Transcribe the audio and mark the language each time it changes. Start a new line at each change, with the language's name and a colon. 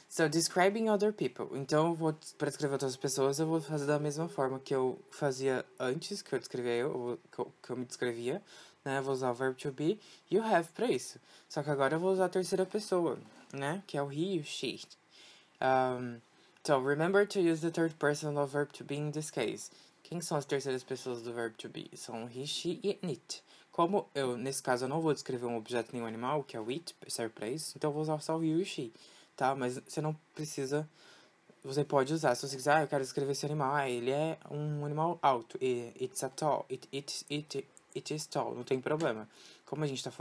English: Describing other people.
Portuguese: Então, pra descrever outras pessoas, eu vou fazer da mesma forma que eu fazia antes, que eu descrevia, que eu me descrevia, né? Eu vou usar o verb to be e o have pra isso. Só que agora eu vou usar a terceira pessoa, né? Que é o he e she. Então,
English: remember to use the third person of verb to be in this case.
Portuguese: Quem são as terceiras pessoas do verb to be? São he, she e it. Como eu, nesse caso, eu não vou descrever um objeto nem um animal, que é o it, serve pra isso. Então, eu vou usar só o he e she, tá? Mas você não precisa... Você pode usar. Se você quiser, ah, eu quero escrever esse animal. Ah, ele é um animal alto.
English: It's a tall. It is tall.
Portuguese: Não tem problema. Como a gente tá...